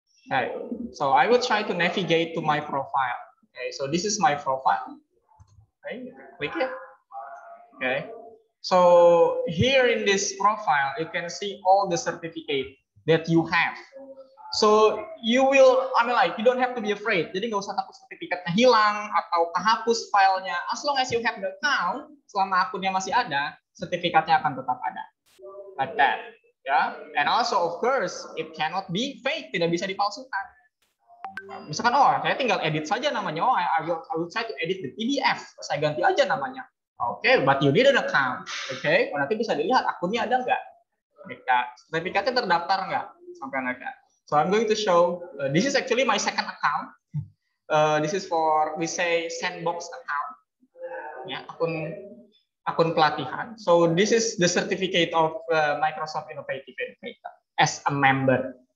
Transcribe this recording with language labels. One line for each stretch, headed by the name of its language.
English: Okay, so I will try to navigate to my profile. Okay, so this is my profile. Okay, click it. Okay, so here in this profile you can see all the certificate that you have. So you will, you don't have to be afraid.
Indonesian: Jadi nggak usah takut sertifikatnya hilang atau kehapus filenya.
English: As long as you have the account,
Indonesian: selama akunnya masih ada, sertifikatnya akan tetap ada.
English: Like that, yeah. And also of course it cannot be fake.
Indonesian: Tidak bisa dipalsukan. Misalkan, oh saya tinggal edit saja namanya.
English: Oh, I will try to edit the PDF.
Indonesian: Saya ganti aja namanya.
English: Okay, but you need an account.
Indonesian: Okay, oh, nanti bisa dilihat akunnya ada nggak? Jika sertifikatnya terdaftar nggak? Sampai nggak?
English: So I'm going to show, this is actually my second account. This is for, we say, sandbox account. Yeah,
Indonesian: akun pelatihan.
English: So this is the certificate of Microsoft Innovative Educator as a member.